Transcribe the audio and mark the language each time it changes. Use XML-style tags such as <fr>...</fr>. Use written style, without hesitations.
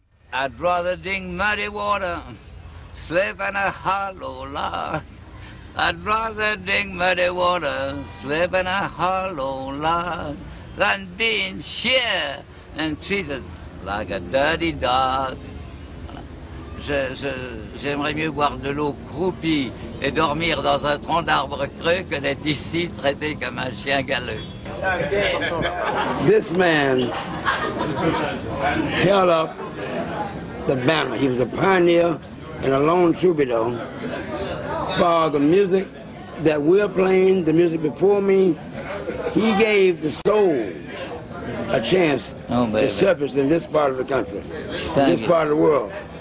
<en>I'd rather drink muddy water, sleep in a hollow log. I'd rather drink muddy water, sleep in a hollow log, than being here and treated like a dirty dog.</en> <fr>J'aimerais mieux boire de l'eau croupie et dormir dans un tronc d'arbre cru que d'être ici traité comme un chien galeux.</fr> <en>This man held up the banner. He was a pioneer and a lone troubadour for the music that we're playing, the music before me. He gave the soul a chance to surface in this part of the country, in this part of the world.</en>